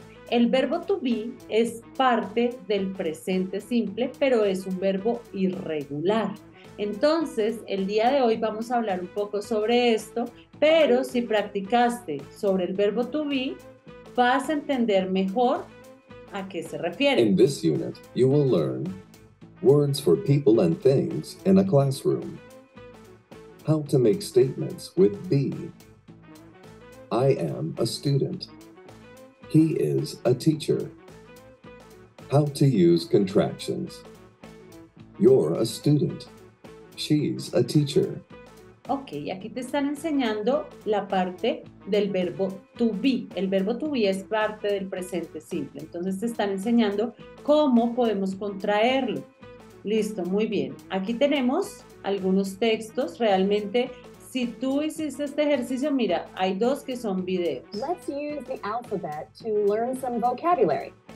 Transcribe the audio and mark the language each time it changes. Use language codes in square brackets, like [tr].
[es] El verbo to be es parte del presente simple, pero es un verbo irregular. Entonces, el día de hoy vamos a hablar un poco sobre esto, pero si practicaste sobre el verbo to be, vas a entender mejor a qué se refiere. [en] In this unit, you will learn words for people and things in a classroom. How to make statements with be. I am a student. He is a teacher. How to use contractions. You're a student. She's a teacher. [es] Ok, aquí te están enseñando la parte del verbo to be. El verbo to be es parte del presente simple. Entonces te están enseñando cómo podemos contraerlo. Listo, muy bien. Aquí tenemos algunos textos. Realmente, si tú hiciste este ejercicio, mira, hay dos que son videos. [en] Let's use the alphabet to learn some vocabulary.